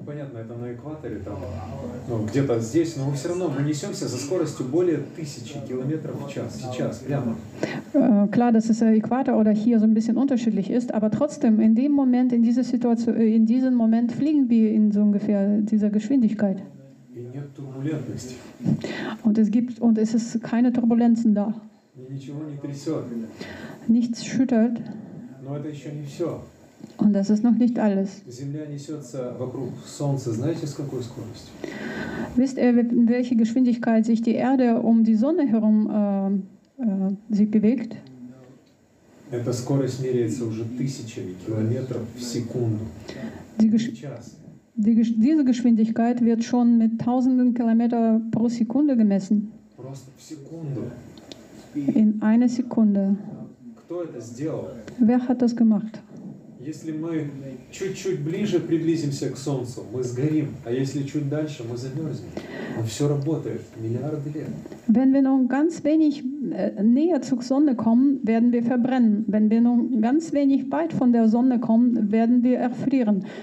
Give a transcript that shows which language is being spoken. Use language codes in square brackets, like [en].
[ru] Понятно, это на экваторе там, ну, где-то здесь, но мы все равно мы несемся со скоростью более 1000 километров в час, сейчас, прямо. [de] Klar, dass es Äquator oder hier so ein bisschen unterschiedlich ist, aber trotzdem, in dem Moment, in dieser Situation, in diesem Moment fliegen wir in so ungefähr dieser Geschwindigkeit. [ru] И нет турбулентности. [de] Und es ist keine Turbulenzen da. [ru] Ничего не трясет. [de] Nichts schüttelt. [ru] Но это еще не все. [de] Und das ist noch nicht alles. [ru] Земля несется вокруг Солнца, знаете, с какой скоростью? [de] Wisst ihr, in welcher Geschwindigkeit sich die Erde um die Sonne herum sich bewegt? [ru] Эта скорость меряется уже тысячами километров в секунду. [de] Diese Geschwindigkeit wird schon mit tausenden Kilometer pro Sekunde gemessen. [ru] Просто в секунду. [de] In einer Sekunde. [ru] Кто это сделал? [de] Wer hat das gemacht? [ru] Если мы чуть-чуть ближе приблизимся к Солнцу, мы сгорим. А если чуть дальше, мы замерзнем. Но все работает. Миллиарды лет. [de] Wenn wir nur ganz wenig näher zur Sonne kommen, werden wir verbrennen. Wenn wir nur ganz wenig weit von der Sonne kommen, werden wir erfrieren.